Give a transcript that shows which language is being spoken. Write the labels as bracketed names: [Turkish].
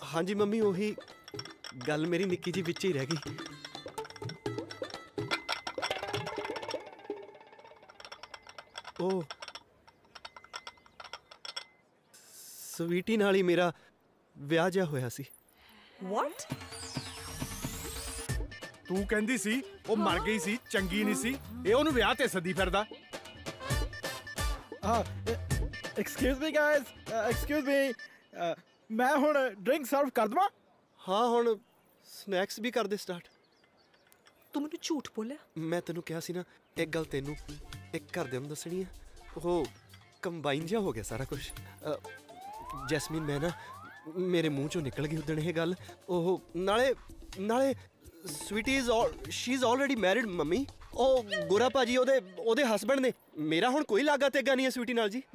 [Punjabi] ਹਾਂਜੀ ਮੰਮੀ ਉਹੀ ਗੱਲ ਮੇਰੀ ਨਿੱਕੀ ਜੀ ਵਿੱਚ ਹੀ ਰਹਿ ਗਈ ਓ ਸਵੀਟੀ ਨਾਲ ਹੀ ਮੇਰਾ ਵਿਆਹ ਜਿਹਾ ਹੋਇਆ ਸੀ [English] What? [Punjabi] ਤੂੰ ਕਹਿੰਦੀ ਸੀ ਉਹ ਮਰ ਗਈ ਸੀ ਚੰਗੀ ਨਹੀਂ ਸੀ ਇਹ ਉਹਨੂੰ ਵਿਆਹ ਤੇ ਸੱਦੀ ਫਿਰਦਾ [English] Excuse me guys, excuse me. [Punjabi] ਮੈਂ ਹੁਣ ਡਰਿੰਕ ਸਰਵ ਕਰ ਦਵਾਂ ਹਾਂ ਹੁਣ ਸਨੈਕਸ ਵੀ ਕਰ ਦੇ ਸਟਾਰਟ ਤੂੰ ਮੈਨੂੰ ਝੂਠ ਬੋਲਿਆ ਮੈਂ ਤੈਨੂੰ ਕਿਹਾ ਸੀ ਨਾ ਇੱਕ ਗੱਲ ਤੈਨੂੰ ਇੱਕ ਘਰਦਿਆਂ ਨੂੰ ਦੱਸਣੀ ਆ ਉਹ ਕੰਬਾਈਨ ਜਿਹਾ ਹੋ ਗਿਆ ਸਾਰਾ ਕੁਛ ਜੈਸਮੀਨ ਮੈਂ ਨਾ ਮੇਰੇ ਮੂੰਹ ਚੋਂ ਨਿਕਲ ਗਈ ਉਦਣ ਇਹ ਗੱਲ ਉਹ ਨਾਲੇ ਨਾਲੇ Sweety [English] is all she is already married [Punjabi] mummy ਉਹ ਗੋਰਾ ਭਾਜੀ ਉਹਦੇ ਉਹਦੇ ਹਸਬੈਂਡ ਨੇ ਮੇਰਾ ਹੁਣ ਕੋਈ ਲਾਗਾ ਤੇਗਾ ਨਹੀਂ ਹੈ ਸਵੀਟੀ ਨਾਲ ਜੀ